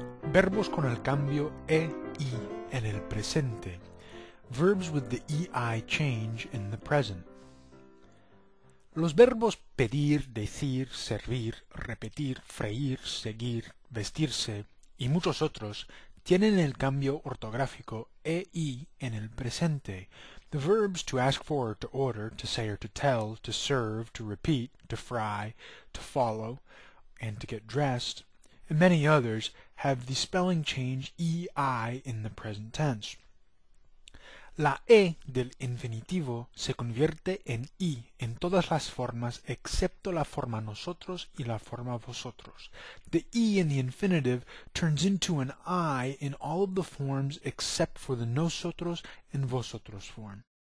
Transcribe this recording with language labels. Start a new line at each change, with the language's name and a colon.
Spanish: Verbos con el cambio e-i en el presente.
English: Verbs with the e-i change in the present.
Spanish: Los verbos pedir, decir, servir, repetir, freír, seguir, vestirse y muchos otros tienen el cambio ortográfico e-i en el presente.
English: The verbs to ask for, to order, to say or to tell, to serve, to repeat, to fry, to follow, and to get dressed, and many others have the spelling change e-i in the present tense.
Spanish: La e del infinitivo se convierte en i en todas las formas excepto la forma nosotros y la forma vosotros.
English: The e in the infinitive turns into an I in all of the forms except for the nosotros and vosotros form.